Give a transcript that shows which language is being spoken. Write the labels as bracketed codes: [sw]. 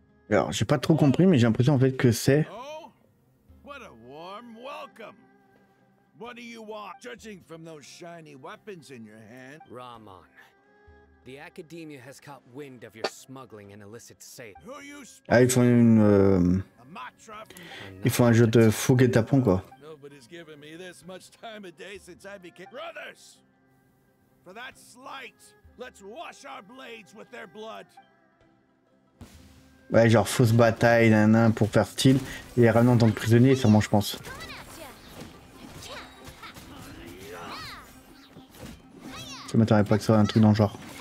[fr] Alors, j'ai pas trop compris, mais j'ai l'impression en fait que c'est... [en] Oh, what a warm welcome. What do you want? Judging from those shiny weapons in your hand... Ramon, the Academia has caught wind of your smuggling and illicit sale. Who are you... [fr] Ah, ils font une... Ils font un jeu de fougue et tapon, quoi. [en] Nobody's given me this much time a day since I became... Brothers! For that slight, let's wash our blades with their blood. [fr] Ouais, genre fausse bataille, nanan, pour faire style. Et ramener en tant que prisonnier, sûrement, je pense. Ça m'attendait pas que ça soit un truc dans le genre.